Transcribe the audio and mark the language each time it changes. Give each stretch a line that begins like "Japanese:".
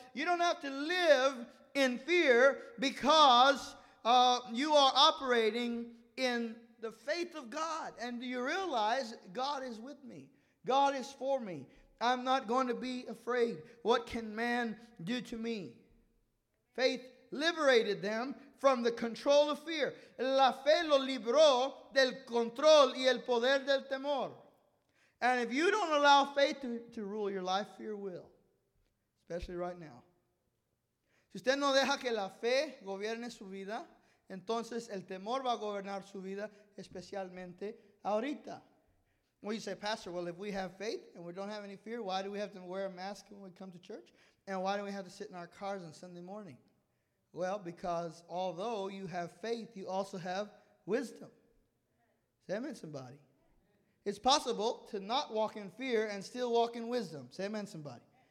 English: You don't have to live in fear because you are operating in the faith of God. And do you realize God is with me? God is for me. I'm not going to be afraid. What can man do to me? Faith liberated them from the control of fear.
Spanish: La fe lo libró del control y el poder del temor.
English: And if you don't allow faith to rule your life, fear will. Especially right now.
Spanish: Si usted no deja que la fe gobierne su vida, entonces el temor va a gobernar su vida, especialmente ahorita.
English: Well, you say, Pastor, well, if we have faith and we don't have any fear, why do we have to wear a mask when we come to church? And why do we have to sit in our cars on Sunday morning? Well, because although you have faith, you also have wisdom. Say amen, somebody. It's possible to not walk in fear and still walk in wisdom. Say amen, somebody.